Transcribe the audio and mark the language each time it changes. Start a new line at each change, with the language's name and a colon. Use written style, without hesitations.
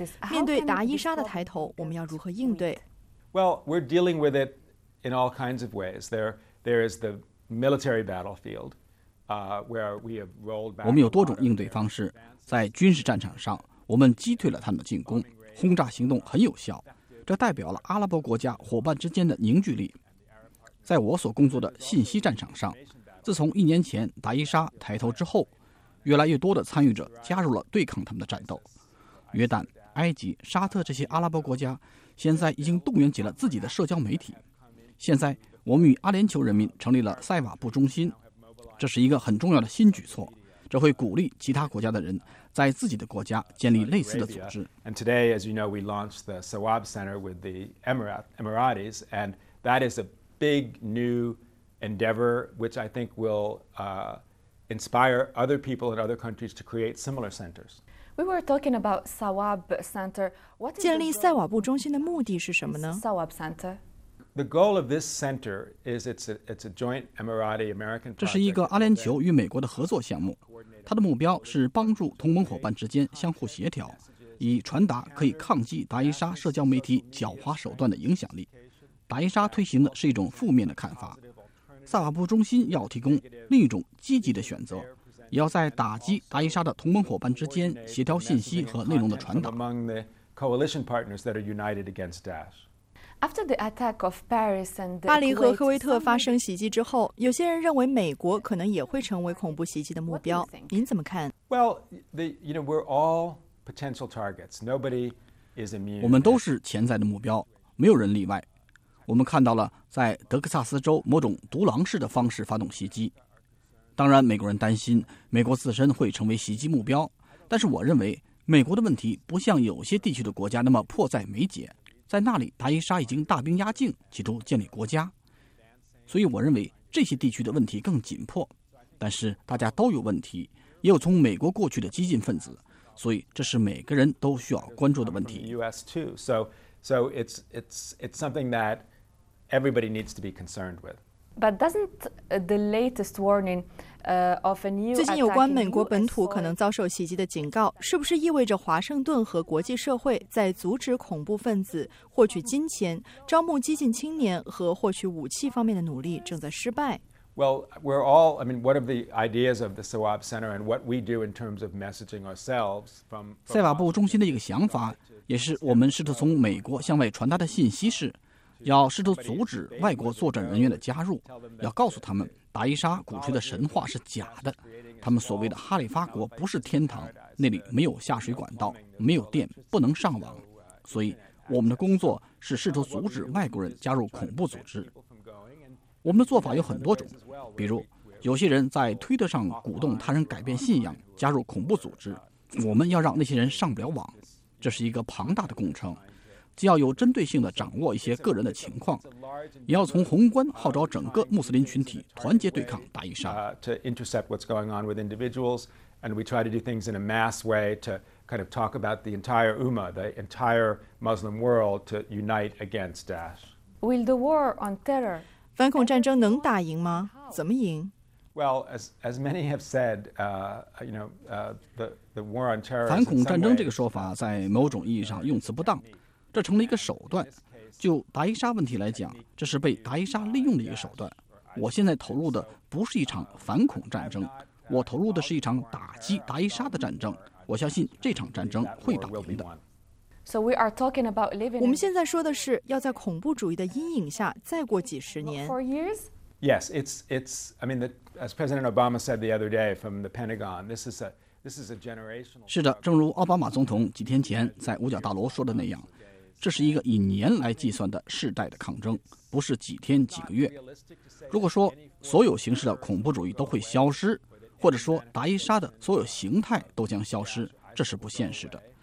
Chinese: 面对达伊沙的抬头，我们要如何应对？
English: Well, we're dealing with it in all kinds of ways. There is the military battlefield where we have rolled back.
Chinese: 我们有多种应对方式。在军事战场上，我们击退了他们的进攻，轰炸行动很有效，这代表了阿拉伯国家伙伴之间的凝聚力。在我所工作的信息战场上，自从一年前达伊沙抬头之后，越来越多的参与者加入了对抗他们的战斗。约旦、埃及、沙特这些阿拉伯国家现在已经动员起了自己的社交媒体。现在我们与阿联酋人民成立了塞瓦布中心，这是一个很重要的新举措，这会鼓励其他国家的人在自己的国家建立类似的组织。
English: And today, as you know, we launched the Sawab Center with the Emiratis, and that is a big new endeavor which I think will inspire other people in other countries to create similar centers. We were talking about Sawab Center. What is
Chinese: 建立塞瓦布中心的目的是什么呢？
English: Sawab Center. The goal of this center is it's a joint Emirati-American project.
Chinese: 这是一个阿联酋与美国的合作项目，它的目标是帮助同盟伙伴之间相互协调，以传达可以抗击达伊沙社交媒体狡猾手段的影响力。达伊沙推行的是一种负面的看法，萨瓦布中心要提供另一种积极的选择，也要在打击达伊沙的同盟伙伴之间协调信息和内容的传达。
English: Among the coalition partners that are united against Daesh. After the attack of Paris and the
Chinese: 巴黎和科威特发生袭击之后，有些人认为美国可能也会成为恐怖袭击的目标。您怎么看
English: ？Well, you know, we're all potential targets. Nobody is immune.
Chinese: 我们都是潜在的目标，没有人例外。我们看到了在德克萨斯州某种独狼式的方式发动袭击。当然，美国人担心美国自身会成为袭击目标，但是我认为美国的问题不像有些地区的国家那么迫在眉睫。在那里达伊沙已经大兵压境，企图建立国家，所以我认为这些地区的问题更紧迫，但是大家都有问题，也有从美国过去的激进分子，所以这是每个人都需要关注的问题。
English: US too. So it's something that everybody needs to be concerned with. But doesn't the latest warning of a new
Chinese: 最近有关美国本土可能遭受袭击的警告，是不是意味着华盛顿和国际社会在阻止恐怖分子获取金钱、招募激进青年和获取武器方面的努力正在失败
English: ？Well, we're all. I mean, what are the ideas of the Sawab Center and what we do in terms of messaging ourselves from
Chinese: 塞瓦布中心的一个想法，也是我们试图从美国向外传达的信息是，要试图阻止外国作战人员的加入，要告诉他们。达伊沙鼓吹的神话是假的，他们所谓的哈里发国不是天堂，那里没有下水管道，没有电，不能上网，所以我们的工作是试图阻止外国人加入恐怖组织。我们的做法有很多种，比如有些人在推特上鼓动他人改变信仰加入恐怖组织，我们要让那些人上不了网，这是一个庞大的工程，既要有针对性地掌握一些个人的情况，也要从宏观号召整个穆斯林群体团结对抗达伊沙。
English: To intercept what's going on with individuals, and we try to do things in a mass way to kind of talk about the entire Ummah, the entire Muslim world, to unite against Daesh. Will the war on terror?
Chinese: 反恐战争能打赢吗？怎么赢？
English: Well, as many have said, you know, the war on terror.
Chinese: 反恐战争这个说法在某种意义上用词不当。这成了一个手段，就达伊沙问题来讲，这是被达伊沙利用的一个手段。我现在投入的不是一场反恐战争，我投入的是一场打击达伊沙的战争。我相信这场战争会打赢的。
English: So we are talking about living.
Chinese: 我们现在说的是要在恐怖主义的阴影下再过几十年。
English: Four years? Yes, it's. I mean, as President Obama said the other day from the Pentagon, this is a generational.
Chinese: 是的，正如奥巴马总统几天前在五角大楼说的那样。这是一个以年来计算的世代的抗争，不是几天几个月。如果说所有形式的恐怖主义都会消失，或者说达伊沙的所有形态都将消失，这是不现实的。